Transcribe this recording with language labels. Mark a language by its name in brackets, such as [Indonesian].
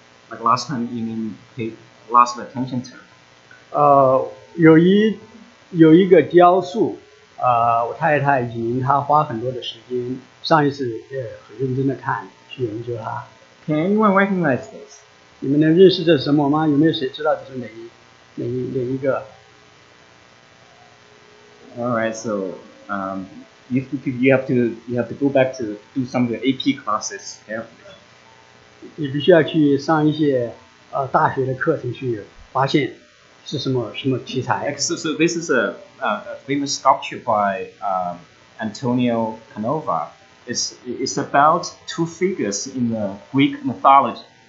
[English] Like last time you mean paid lots of attention to. [Chinese] 有一个雕塑, 我太太已经花很多的时间上一次很认真地看去研究它。 [English] Can anyone recognize this? [Chinese] 你们能认识这什么吗? 有没有谁知道这是哪一个? [English] Alright, so you have to go back to do some of your AP classes carefully. [Chinese] 你必须要去上一些大学的课程去发现是什么题材。 [English] So this is a famous sculpture by Antonio Canova. It's about two figures in the Greek mythology.